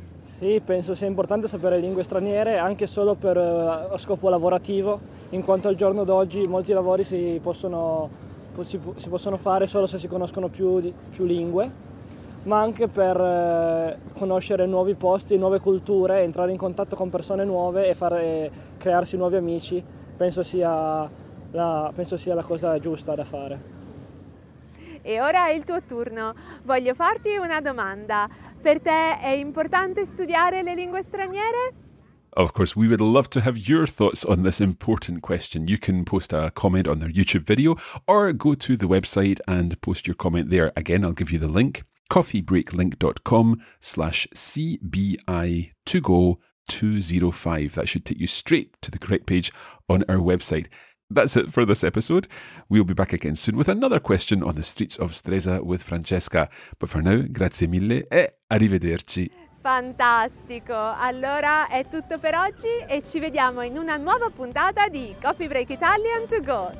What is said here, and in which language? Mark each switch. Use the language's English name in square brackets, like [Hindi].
[Italian] Sì, penso sia importante sapere lingue straniere anche solo per scopo lavorativo, in quanto al giorno d'oggi molti lavori si possono fare solo se si conoscono più lingue, ma anche per conoscere nuovi posti, nuove culture, entrare in contatto con persone nuove e crearsi nuovi amici, penso sia la cosa giusta da fare. E ora è il tuo turno. Voglio farti una domanda. Per te è importante studiare le lingue straniere? [English] Of course, we would love to have your thoughts on this important question. You can post a comment on their YouTube video or go to the website and post your comment there. Again, I'll give you the link, coffeebreaklink.com/CBI2Go205. That should take you straight to the correct page on our website. That's it for this episode. We'll be back again soon with another question on the streets of Stresa with Francesca. But for now, [Italian] grazie mille e arrivederci. Fantastico! Allora è tutto per oggi e ci vediamo in una nuova puntata di Coffee Break Italian to Go.